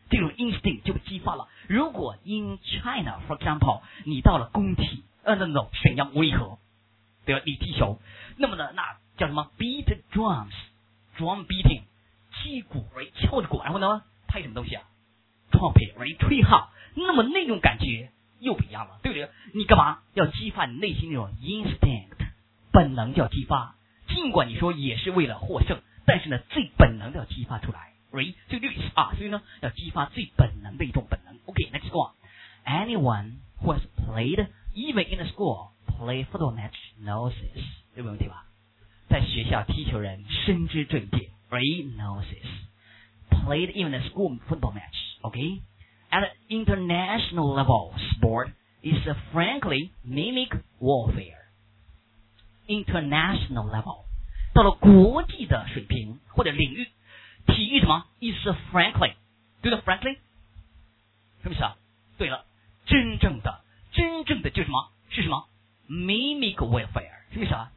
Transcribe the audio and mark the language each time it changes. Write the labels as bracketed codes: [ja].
[zh] 这种 instinct 就激发了。如果 in China for example 你到了工体沈阳威河，对吧，你踢球，那么呢，那叫什么 [en] beat drums， drum beating， [zh] 击鼓，喂，敲着鼓，然后呢拍什么东西啊， trumpet， 喂，吹号，那么那种感觉又不一样了，对不对？你干嘛要激发你内心那种 instinct， 本能叫激发，尽管你说也是为了获胜，但是呢最本能的要激发出来， right， 就这个意思啊。所以呢要激发最本能的一种本能。 [en] OK， next one， anyone who has played even in a school play football match knows this， [zh] 有没有问题吧？在学校踢球人深知这一点， right， knows this， [en] played even a school football match， [zh] OK。 [en] At an international level, sport is frankly mimic warfare. [zh] International level, 到了国际的水平或者领域，体育什么 [en] is frankly， [zh] 对的 ，frankly， 什么意思啊？对了，真正的就什么是什么 [en] mimic warfare， [zh] 什么意思啊？